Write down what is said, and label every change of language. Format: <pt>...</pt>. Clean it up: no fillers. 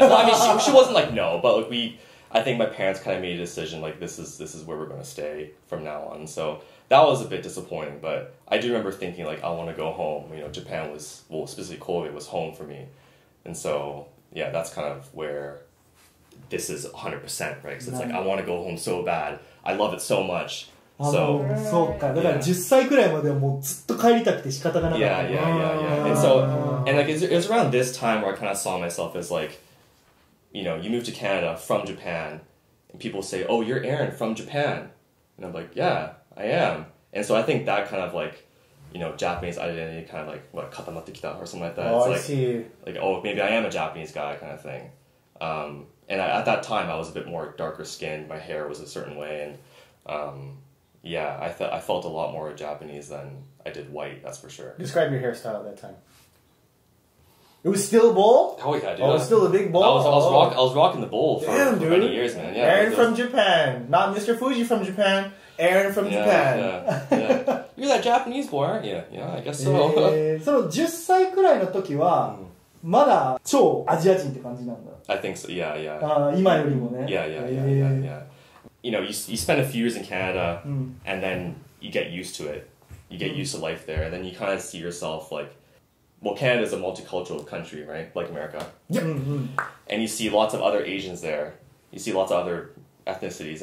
<en>Well, I mean, she wasn't like, no, but like I think my parents kind of made a decision, like, this is where we're going to stay from now on. So that was a bit disappointing, but I do remember thinking, like, I want to go home. You know, Japan was, well, specifically Kobe was home for me. And so, yeah, that's kind of where this is 100%, right? Because it's like, I want to go home so bad. I love it so much.</en> <ja>そうか、だから10歳くらいまではもうずっと帰りたくて仕方がなかった。</ja> <en>Yeah. And so, and like, it was around this time where I kind of saw myself as like, you know, you move to Canada from Japan, and people say, oh, you're Aaron from Japan. And I'm like, yeah, I am. And so I think that kind of like, you know, Japanese identity kind of like, what,</en> <ja>katamatte kita</ja> <en>or something like that. Oh, it's I like, see. Like, oh, maybe I am a Japanese guy kind of thing. And at that time, I was a bit more darker skinned, my hair was a certain way, and, yeah, I felt a lot more Japanese than I did white, that's for sure. Describe your hairstyle at that time. It was still a bowl? Oh yeah, dude. Oh, it was still a big bowl? I was rocking the bowl for many years, man. Yeah, Aaron from Japan. Not Mr. Fuji from Japan. Aaron from Japan. Yeah, yeah. You're that Japanese boy, aren't you? Yeah, I guess so.</en> <ja>その10歳くらいの時は、まだ超アジア人って感じなんだ。</ja> <en>I think so, yeah, yeah.</en> <ja>今よりもね。</ja> <en>Yeah. You know, you spend a few years in Canada, and then you get used to it. You get used to life there, and then you kind of see yourself like, well, Canada is a multicultural country, right? Like America. Yep. And you see lots of other Asians there. You see lots of other ethnicities.</en>